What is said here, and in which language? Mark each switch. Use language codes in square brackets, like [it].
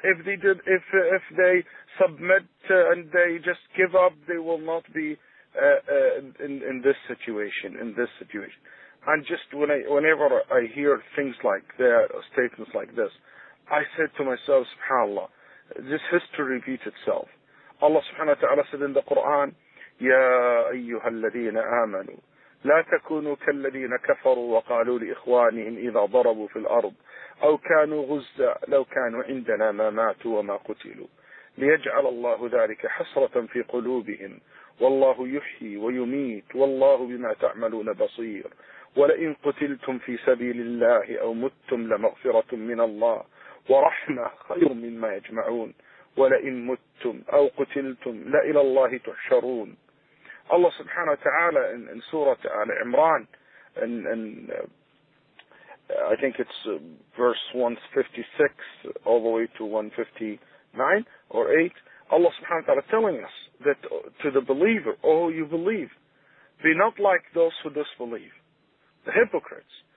[en] If they did, if they submit and they just give up, they will not be in this situation. In this situation, and just when I, whenever I hear things like that, statements like this, I said to myself, Subhanallah, this history repeats itself. Allah Subhanahu wa Taala said in the Quran, [ar] يا أيها الذين آمنوا لا تكونوا كالذين كفروا وقالوا لإخوانهم إذا ضربوا في الأرض أو كانوا غزا لو كانوا عندنا ما ماتوا وما قتلوا ليجعل الله ذلك حسرة في قلوبهم والله يحيي ويميت والله بما تعملون بصير ولئن قتلتم في سبيل الله أو متتم لمغفرة من الله ورحمة خير مما يجمعون ولئن متتم أو قتلتم لإلى الله تحشرون. [en] الله سبحانه وتعالى in سورة آل عمران in I think it's verse 156 all the way to 159 or 8. Allah subhanahu wa ta'ala telling us that to the believer, oh, you believe, be not like those who disbelieve. The hypocrites.